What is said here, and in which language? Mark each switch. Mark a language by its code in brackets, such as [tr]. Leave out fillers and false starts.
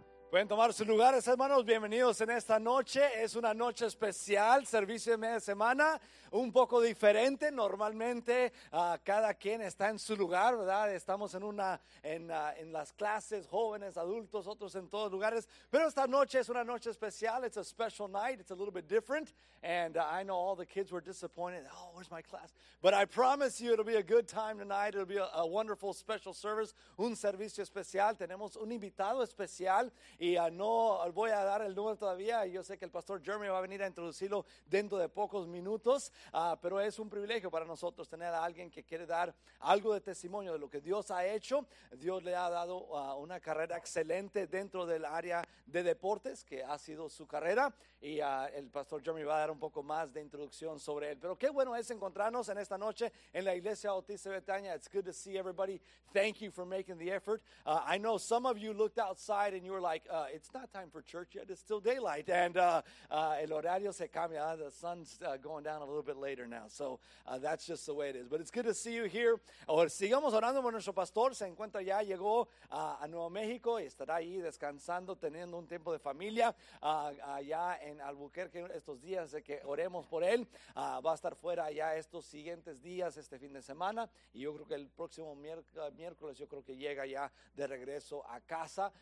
[es] Pueden tomar sus lugares, hermanos. Bienvenidos en esta noche. Es una noche especial, servicio de media semana, un poco diferente. Normalmente cada quien está en su lugar, ¿verdad? Estamos en las clases, jóvenes, adultos, otros en todos lugares. Pero esta noche es una noche especial. [en] It's a special night. It's a little bit different. And I know all the kids were disappointed. Oh, where's my class? But I promise you it'll be a good time tonight. It'll be a wonderful special service. [es] Un servicio especial. Tenemos un invitado especial. Y no voy a dar el número todavía. Yo sé que el pastor Jeremy va a venir a introducirlo dentro de pocos minutos. Pero es un privilegio para nosotros tener a alguien que quiere dar algo de testimonio de lo que Dios ha hecho. Dios le ha dado una carrera excelente dentro del área de deportes, que ha sido su carrera. Y el pastor Jeremy va a dar un poco más de introducción sobre él. Pero qué bueno es encontrarnos en esta noche en la Iglesia Bautista Betania. [en] It's good to see everybody. Thank you for making the effort. I know some of you looked outside and you were like, it's not time for church yet. It's still daylight. [es] And el horario se cambia. [en] The sun's going down a little bit later now. So that's just the way it is. But it's good to see you here. [es] Sigamos orando por nuestro pastor. Se encuentra ya, llegó a Nuevo México y estará ahí descansando, teniendo un tiempo de familia allá en Albuquerque estos días. De que oremos por él. Va a estar fuera ya estos siguientes días, este fin de semana, y yo creo que el próximo miércoles yo creo que llega ya de regreso a casa.